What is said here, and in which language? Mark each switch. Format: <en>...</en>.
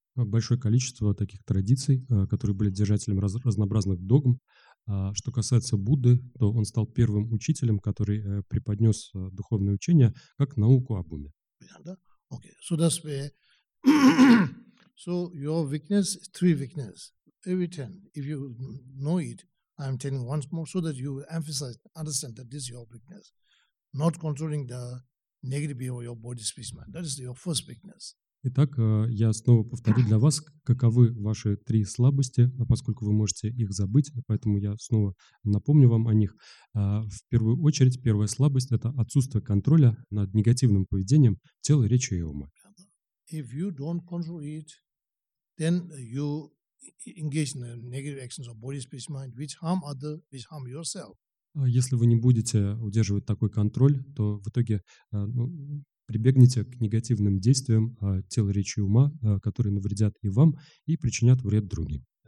<ru>большое количество таких традиций, которые были держателем разнообразных догм. Что касается Будды, то он стал первым учителем, который преподнес духовное учение как науку об уме.</ru> <en>Okay. So that's where so your weakness, three weakness. Every ten, if you know it, I'm telling once more so that you emphasize, understand that this is your weakness. Not controlling the negative behavior of your body speech mind. That is your first weakness.</en> <ru>Итак, я снова повторю для вас, каковы ваши три слабости, поскольку вы можете их забыть, поэтому я снова напомню вам о них. В первую очередь, первая слабость – это отсутствие контроля над негативным поведением тела, речи и ума.</ru> <en>If you don't control it, then you engage in negative actions of body, speech, mind, which harm other, which harm yourself.</en> <ru>Если вы не будете удерживать такой контроль, то в итоге прибегните к негативным действиям тела, речи и ума, которые навредят и вам, и причинят вред другим.</ru>